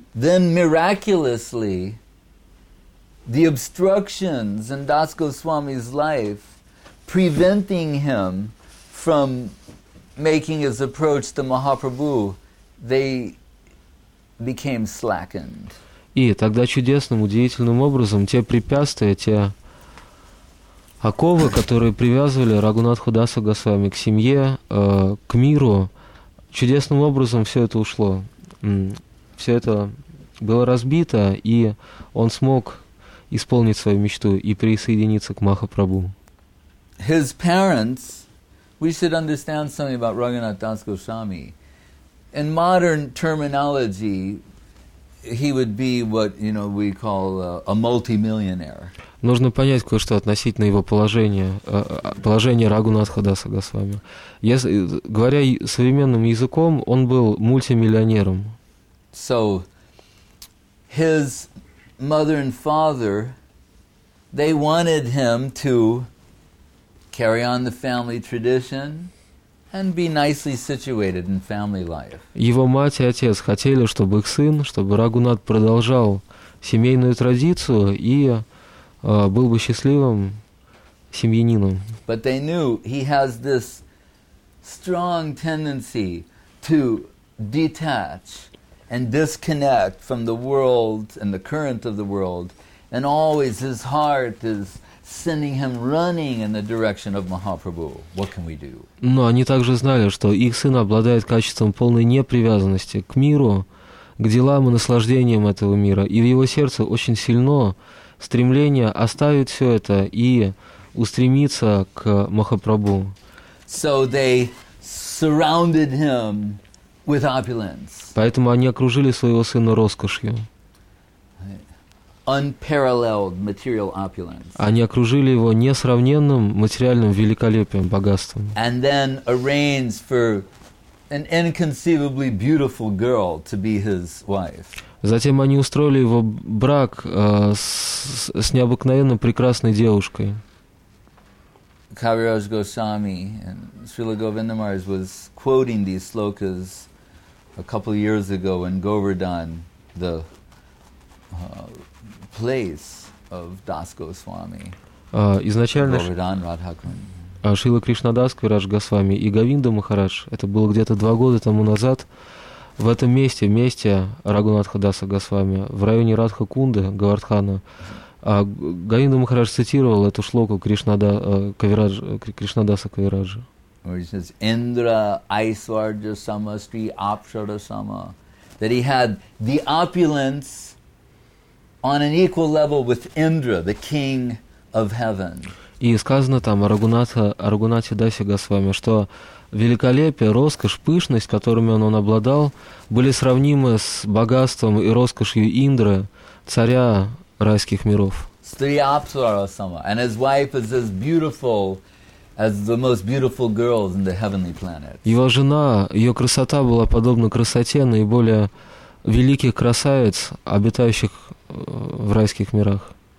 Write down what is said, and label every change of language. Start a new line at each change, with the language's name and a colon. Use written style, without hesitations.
English: Then miraculously, the obstructions in Das Goswami's life, preventing him from making his approach to Mahaprabhu, they became slackened.
Russian: И тогда чудесным, удивительным образом те препятствия, те оковы, которые привязывали Рагунатху Даса Госвами к семье, к миру, чудесным образом все это ушло. Все это было разбито, и он смог исполнить свою мечту и присоединиться к Махапрабху.
English: His parents, we should understand something about Raghunath Das Goswami. In modern terminology, he would be what, you know, we call a multimillionaire.
Russian: Нужно понять кое-что относительно его положения, положения Рагунатха Даса Госвами. Если, говоря современным языком, он был мультимиллионером.
English: So, his mother and father, they wanted him to carry on the family tradition and be nicely situated in family life.
Russian: Его мать и отец хотели, чтобы их сын, чтобы Рагунат продолжал семейную традицию и был бы счастливым семьянином.
English: But they knew he has this strong tendency to detach and disconnect from the world and the current of the world, and always his heart is sending him running in the direction of Mahaprabhu. What can we do?
Russian: Но они также знали, что их сын обладает качеством полной непривязанности к миру, к делам и наслаждениям этого мира, и в его сердце очень сильно стремление оставить все это и устремиться к Махапрабху.
English: So they surrounded him with opulence.
Russian: Поэтому они окружили своего сына роскошью.
English: Unparalleled material opulence.
Russian: Они окружили его несравненным материальным великолепием, богатством.
English: And then arranged for an inconceivably beautiful girl to be his wife.
Russian: Затем они устроили его брак с необыкновенно прекрасной девушкой.
English: Kaviraj Goswami and Srila Govinda Maharaj was quoting these slokas a couple of years ago in Govardhan, the place of Das Goswami.
Russian: Изначально
English: Govardhan Radhakund.
Russian: Шрила Кришнадас Кавираj Госвами и Говинда Махарадж, это было где-то 2 года тому назад, в этом месте, месте Рагунатха Даса Госвами, в районе Радха Кунды, Говардхана, Говинда Махарадж цитировал эту шлоку Кришнадаса Кавираджа.
Sanskrit: Индра Айсварджа Сама Стри Апшара Сама,
English: that he had the opulence on an equal level with Indra, the king of heaven.
Russian: И сказано там о Рагунатхе Дасе Госвами, что великолепие, роскошь, пышность, которыми он обладал, были сравнимы с богатством и роскошью Индры, царя райских миров.
English: Стриапсарасама, and his wife is as beautiful as the most beautiful girls in the heavenly planet.
Russian: Его жена, ее красота была подобна красоте наиболее великих красавиц, обитающих в райских мирах.